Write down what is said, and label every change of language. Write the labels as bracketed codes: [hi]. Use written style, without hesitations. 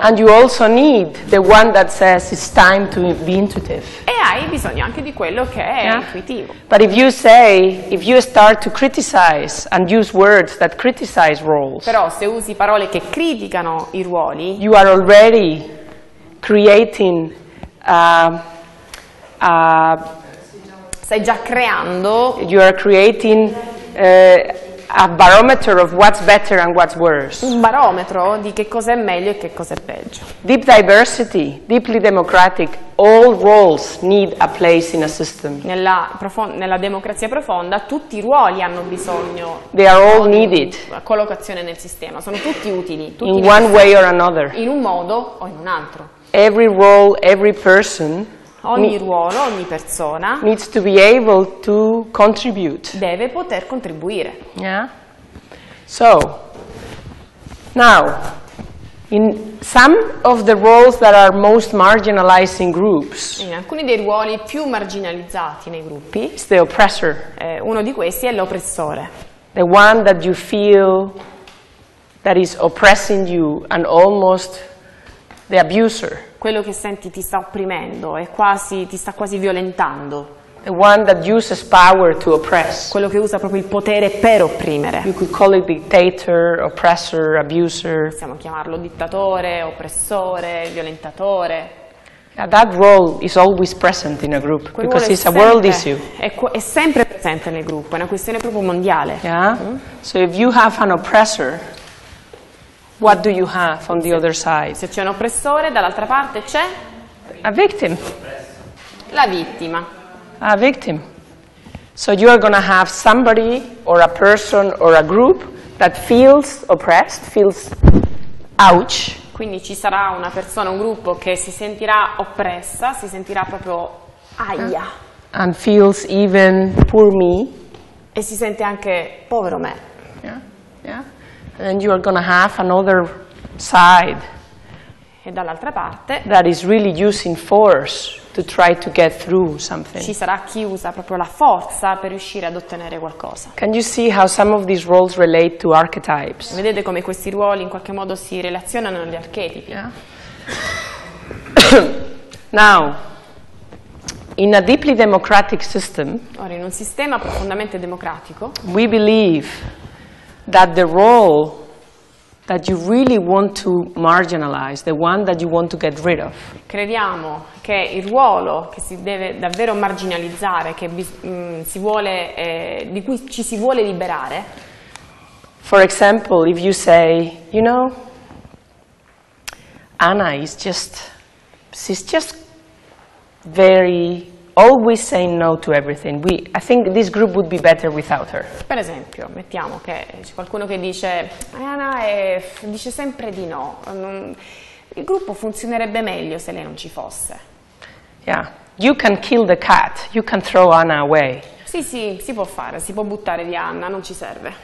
[en] And you also need the one that says it's time to be intuitive. [it] E hai bisogno anche di quello che è intuitivo. [en] But if you say, if you start to criticize and use words that criticize roles. [it] Però se usi parole che criticano I ruoli. [en] You are already creating. [it] Stai già creando. [en] You are creating a barometer of what's better and what's worse. [it] Un barometro di che cosa è meglio e che cosa è peggio. [en] Deep diversity, deeply democratic. All roles need a place in a system. [it] Nella democrazia profonda, tutti I ruoli hanno bisogno. [en] They are all needed. [it] Una collocazione nel sistema. Sono tutti utili. Tutti [en] in one way or another. [it] In un modo o in un altro. [en] Every role, every person. [it] Ogni ruolo, ogni persona [en] needs to be able to contribute. [it] Deve poter contribuire. [en] Yeah. So, now, in some of the roles that are most marginalized in groups. [it] In alcuni dei ruoli più marginalizzati nei gruppi. [en] Is the oppressor. [it] Uno di questi è l'oppressore. [en] The one that you feel that is oppressing you and almost the abuser. [it] Quello che senti ti sta opprimendo, è quasi, ti sta quasi violentando. [en] The one that uses power to oppress. [it] Quello che usa proprio il potere per opprimere. [en] You could call it dictator, oppressor, abuser. [it] Possiamo chiamarlo dittatore, oppressore, violentatore. [en] Now that role is always present in a group because it's a world issue. [it] È sempre presente nel gruppo, è una questione proprio mondiale. [en] Yeah. So if you have an oppressor, what do you have on the other side? [it] Se c'è un oppressore, dall'altra parte c'è [en] a victim. [it] La vittima. [en] A victim. So you are going to have somebody or a person or a group that feels oppressed, feels ouch. [it] Quindi ci sarà una persona, un gruppo che si sentirà oppressa, si sentirà proprio aia. [en] And feels even poor me. [it] E si sente anche povero me. [en] Yeah, yeah. And then you are going to have another side. [it] E dall'altra parte. [en] That is really using force to try to get through something. [it] Ci sarà chi usa proprio la forza per riuscire ad ottenere qualcosa. [en] Can you see how some of these roles relate to archetypes? [it] Vedete come questi ruoli in qualche modo si relazionano agli archetipi? [en] Yeah. Now, in a deeply democratic system, [it] ora in un sistema profondamente democratico, [en] we believe that the role that you really want to marginalize, the one that you want to get rid of. [it] Crediamo che il ruolo che si deve davvero marginalizzare, che si vuole, di cui ci si vuole liberare. [en] For example, if you say, you know, Anna is just, she's just very, always saying no to everything. I think this group would be better without her. [it] Per esempio, mettiamo che c'è qualcuno che dice, Anna dice sempre di no. Il gruppo funzionerebbe meglio se lei non ci fosse. [en] Yeah. You can kill the cat. You can throw Anna away. [it] Sì, sì, si può fare. Si può buttare via Anna. Non ci serve.